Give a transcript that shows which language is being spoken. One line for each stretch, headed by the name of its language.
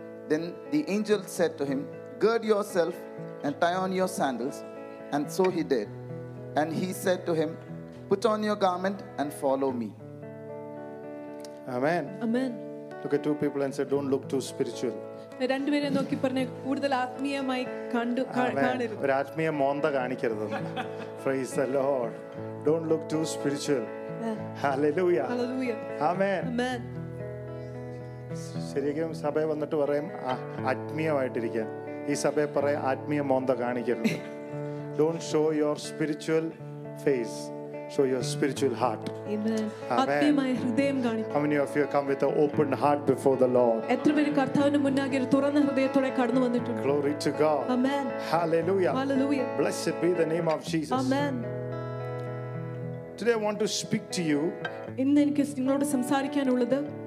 English: Then the angel said to him, "Gird yourself and tie on your sandals." And so he did. And he said to him, "Put on your garment and follow me." Amen. Amen. Look at two people and say, "Don't look too spiritual."
Malayalam: രണ്ടു പേരെ നോക്കി പറഞ്ഞ കൂടുതൽ ആത്മീയമായി കണ്ടു കാണരുത്. ഒരു ആത്മീയ മോന്ത കാണിക്കരുത്.
English: Praise the Lord. Don't look too spiritual. Hallelujah. Hallelujah. Amen. Amen.
Malayalam: ശരിക്കും സഭയെ വന്നിട്ട് പറയും ആത്മീയമായിട്ടിരിക്കാൻ. ഈ സഭയെ പറയും ആത്മീയ മോന്ത കാണിക്കരുത്.
English: Don't show your spiritual face. Show your spiritual heart.
Malayalam: Amen. ആത്മീയമായ ഹൃദയം കാണിക്കുക.
English: How many of you come with an open heart before the Lord?
Malayalam: എത്ര പേര് കർത്താവിന് മുന്നാകെ തുറന്ന ഹൃദയത്തോടെ കടന്നു വന്നിട്ടുണ്ട്?
English: Glory to God. Amen. Hallelujah. Hallelujah. Blessed be the name of Jesus. Amen. Today I want to speak to you.
Malayalam: ഇന്ന് എനിക്ക് നിങ്ങളോട് സംസാരിക്കാനുള്ളത്